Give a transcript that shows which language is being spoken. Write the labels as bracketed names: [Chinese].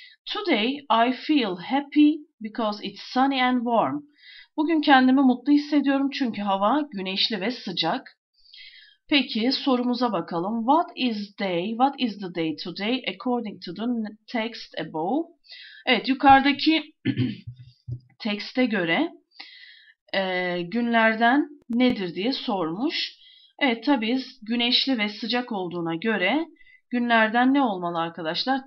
[English] Today, I feel happy because it's sunny and warm. [Turkish] Bugün kendimi mutlu hissediyorum çünkü hava güneşli ve sıcak. Peki, sorumuza bakalım. [English] What is the day today according to the text above? [Turkish] Evet, yukarıdaki tekste göre günlerden nedir diye sormuş. Evet, tabii güneşli ve sıcak olduğuna göre günlerden ne olmalı arkadaşlar?